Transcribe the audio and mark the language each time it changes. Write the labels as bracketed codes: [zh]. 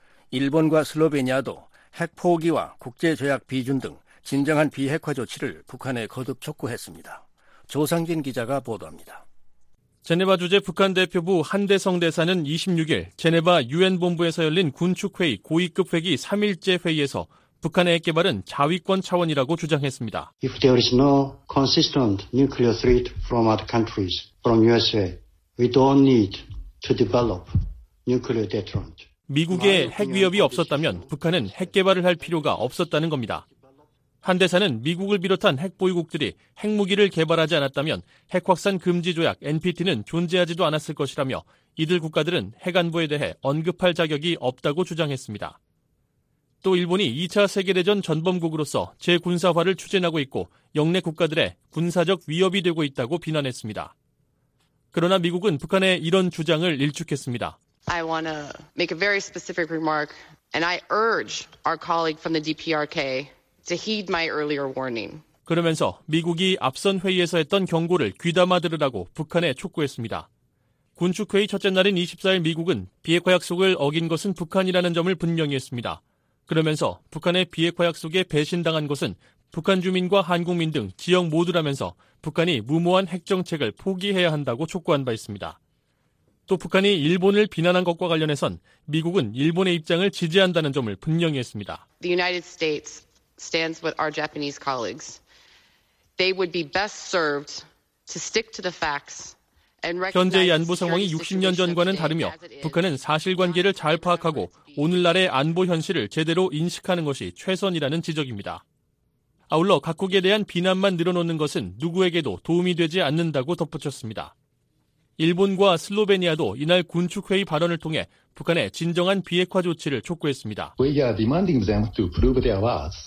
[ko] 일본과 슬로베니아도 핵 포기와 국제조약 비준 등 진정한 비핵화 조치를 북한에 거듭 촉구했습니다. 조상진 기자가 보도합니다. 제네바 주재 북한 대표부 한대성 대사는 26일 제네바 유엔본부에서 열린 군축회의 고위급 회기 3일째 회의에서 북한의 핵 개발은 자위권 차원이라고 주장했습니다. [en] If there is no consistent nuclear threat from other countries, from USA, we don't need to develop nuclear deterrent. [ko] 미국의 핵 위협이 없었다면 북한은 핵 개발을 할 필요가 없었다는 겁니다. 한 대사는 미국을 비롯한 핵 보유국들이 핵무기를 개발하지 않았다면 핵확산 금지 조약 NPT는 존재하지도 않았을 것이라며 이들 국가들은 핵 안보에 대해 언급할 자격이 없다고 주장했습니다. 또 일본이 2차 세계대전 전범국으로서 재군사화를 추진하고 있고 영내 국가들의 군사적 위협이 되고 있다고 비난했습니다. 그러나 미국은 북한의 이런 주장을 일축했습니다. [en] I want to make a very specific remark and I urge our colleague from the DPRK to heed my earlier warning. [ko] 그러면서 미국이 앞선 회의에서 했던 경고를 귀담아 들으라고 북한에 촉구했습니다. 군축회의 첫째 날인 24일 미국은 비핵화 약속을 어긴 것은 북한이라는 점을 분명히 했습니다. 그러면서 북한의 비핵화 약속에 배신당한 것은 북한 주민과 한국민 등 지역 모두라면서 북한이 무모한 핵정책을 포기해야 한다고 촉구한 바 있습니다. 또 북한이 일본을 비난한 것과 관련해선 미국은 일본의 입장을 지지한다는 점을 분명히 했습니다. [en] The United States stands with our Japanese colleagues. They would be best served to stick to the facts. [ko] 현재의 안보 상황이 60년 전과는 다르며 북한은 사실관계를 잘 파악하고 오늘날의 안보 현실을 제대로 인식하는 것이 최선이라는 지적입니다. 아울러 각국에 대한 비난만 늘어놓는 것은 누구에게도 도움이 되지 않는다고 덧붙였습니다. 일본과 슬로베니아도 이날 군축회의 발언을 통해 북한의 진정한 비핵화 조치를 촉구했습니다. [en] We are demanding them to prove their words.